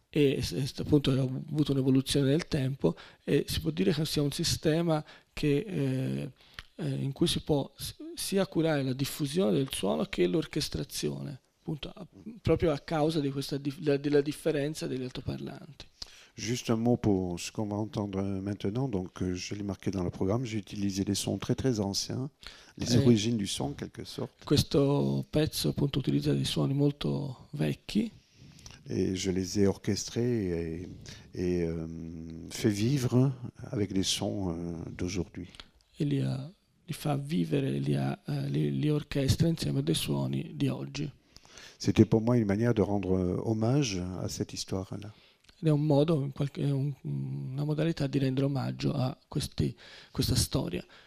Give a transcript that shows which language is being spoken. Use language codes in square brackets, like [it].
[it] E appunto ha avuto un'evoluzione nel tempo e si può dire che sia un sistema in cui si può sia curare la diffusione del suono che l'orchestrazione, proprio a causa di questa della differenza degli altoparlanti. [fr] Juste un mot pour ce qu'on va entendre maintenant. Donc, je l'ai marqué dans le programme. J'ai utilisé des sons très très anciens, les origines du son, en quelque sorte. [it] Questo pezzo appunto utilizza dei suoni molto vecchi. [fr] Et je les ai orchestrés et fait vivre avec des sons d'aujourd'hui. [it] E li fa vivere, li orchestra insieme a dei suoni di oggi. Ed [fr] C'était pour moi une manière de rendre hommage à cette histoire-là. [it] è un modo, una modalità di rendere omaggio a questa storia.